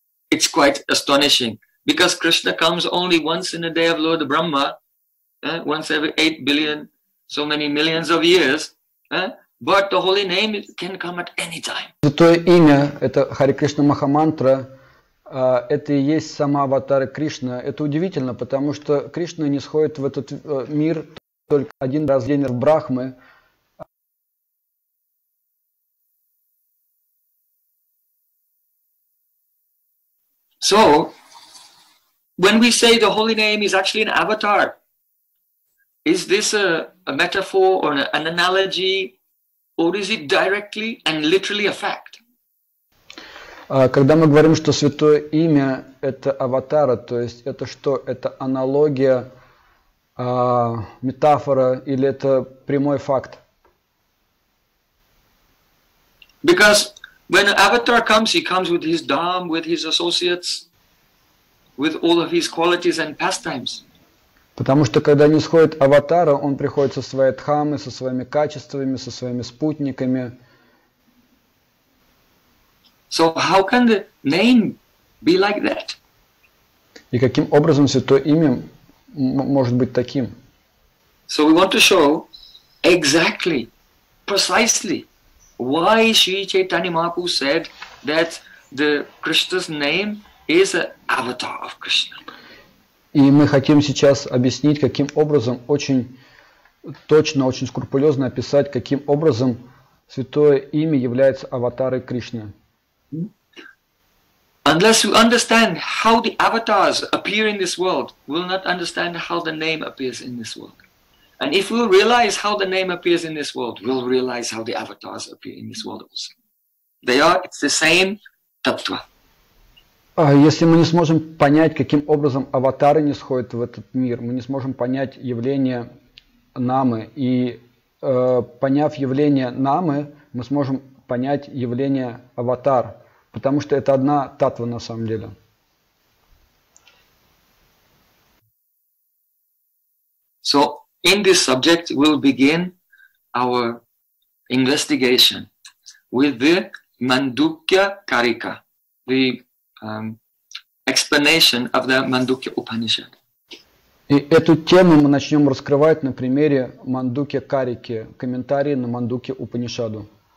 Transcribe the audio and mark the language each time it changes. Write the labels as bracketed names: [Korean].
[English] It's quite astonishing, because Krishna comes only once in the day of Lord Brahma, once every 8 billion, so many millions of years, but the holy name can come at any time. [Russian] Святое имя, это Хари Кришна Махамантра, это и есть сама аватара Кришна. Это удивительно, потому что Кришна не сходит в этот мир только один раз в день в Брахмы. [English] So, when we say the holy name is actually an avatar, is this a metaphor or an analogy, or is it directly and literally a fact? [Russian] Когда мы говорим, что святое имя – это аватара, то есть это что? Это аналогия, метафора или это прямой факт? [English] Because when an avatar comes, he comes with his dham, with his associates, with all of his qualities and pastimes. [Russian] Потому что когда нисходит аватара, он приходит со своей дхамой, со своими качествами, со своими спутниками. [English] So how can the name be like that? [Russian] И каким образом святое имя может быть таким? [English] So we want to show exactly, precisely, why Sri Chaitanya Mahaprabhu said that the Krishna's name is an avatar of Krishna. [Russian] И мы хотим сейчас объяснить, каким образом, очень точно, очень скрупулезно описать, каким образом святое имя является аватарой Кришны. [English] Unless we understand how the avatars appear in this world, we'll not understand how the name appears in this world. And if we'll realize how the name appears in this world, we'll realize how the avatars appear in this world also. They are, it's the same tattva. [Russian] Если мы не сможем понять, каким образом аватары нисходят в этот мир, мы не сможем понять явление Намы. И поняв явление Намы, мы сможем понять явление аватар. Потому что это одна татва на самом деле. [English] So in this subject we'll begin our investigation with the Mandukya Karika, the explanation of the Mandukya Upanishad. [Russian] И эту тему мы начнем раскрывать на примере Мандукья Карики, комментарии на Мандукья Упанишаду.